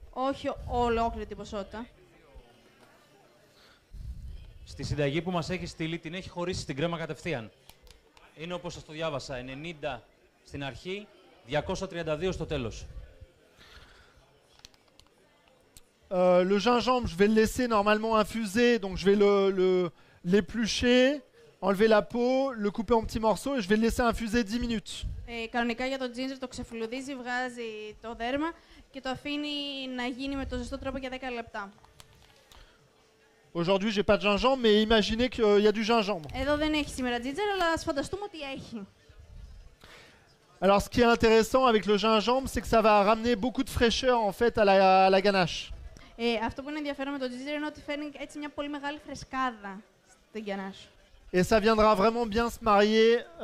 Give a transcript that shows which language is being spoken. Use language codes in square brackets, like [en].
[el] Όχι ολόκληρη την ποσότητα. Στη συνταγή που μας έχει στείλει, την έχει χωρίσει την κρέμα κατευθείαν. Είναι όπως σας το διάβασα, 90 στην αρχή, 232 στο τέλος. [fr] Le gingembre, je vais le laisser normalement infuser, donc je vais l'éplucher, enlever la peau, le couper en petits morceaux et je vais le laisser infuser 10 minutes. [el] Κανονικά για το τζίντζερ το ξεφλουδίζει, βγάζει το δέρμα και το αφήνει να γίνει με το ζεστό τρόπο για 10 λεπτά. [fr] Aujourd'hui, j'ai pas de gingembre, mais imaginez qu'il y a du gingembre. [el] Εδώ δεν έχει σήμερα τζίντζερ, αλλά ας φανταστούμε ότι έχει. [fr] Alors, ce qui est intéressant avec le gingembre, c'est que ça va ramener beaucoup de fraîcheur en fait à la ganache. [el] Αυτό που είναι ενδιαφέρον με το τζίντζερ είναι ότι φέρνει έτσι μια πολύ μεγάλη φρεσκάδα στην ganache. [fr] Et ça viendra vraiment bien se marier.